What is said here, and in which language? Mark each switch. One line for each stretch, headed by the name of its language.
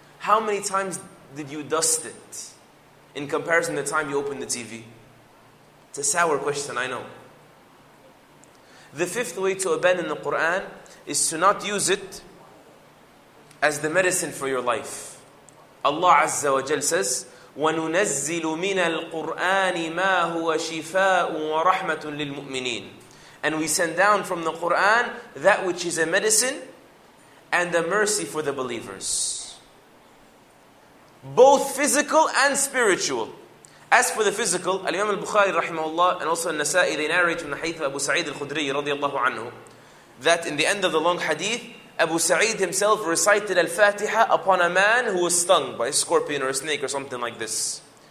English: How many times did you dust it in comparison to the time you opened the TV? It's a sour question, I know. The fifth way to abandon the Qur'an is to not use it as the medicine for your life. Allah Azza wa Jal says,
Arabic: وَنُنَزِّلُ مِنَ الْقُرْآنِ مَا هُوَ شِفَاءٌ وَرَحْمَةٌ لِلْمُؤْمِنِينَ.
English: And we send down from the Qur'an that which is a medicine and a mercy for the believers. Both physical and spiritual. As for the physical, Al-Imam al-Bukhari rahimahullah and also al-Nasa'i, they narrate from the hadith of Abu Sa'id al-Khudri radiyallahu anhu that in the end of the long hadith, Abu Sa'id himself recited al-Fatiha upon a man who was stung by a scorpion or a snake or something like this.